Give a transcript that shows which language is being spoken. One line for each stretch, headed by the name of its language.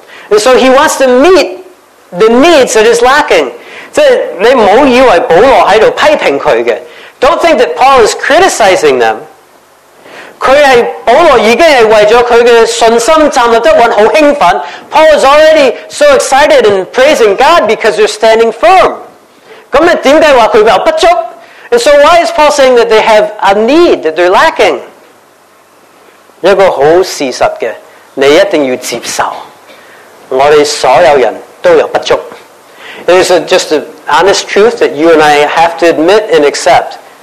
English: And so he wants to meet the needs that is lacking.
Chinese: 即是你不要以为保罗在批评他的。
English: Don't think that Paul is criticizing them.
Chinese: 保罗已经是为了他的信心站立得稳，很兴奋。
English: Paul is already so excited and praising God because they're standing firm.
Chinese: 那为什么说他有不足？
English: And so why is Paul saying that they have a need, that they're lacking?
Chinese: 一个好事实的，你一定要接受，我们所有人都有不足。
English: It is just an honest truth that you and I have to admit and accept.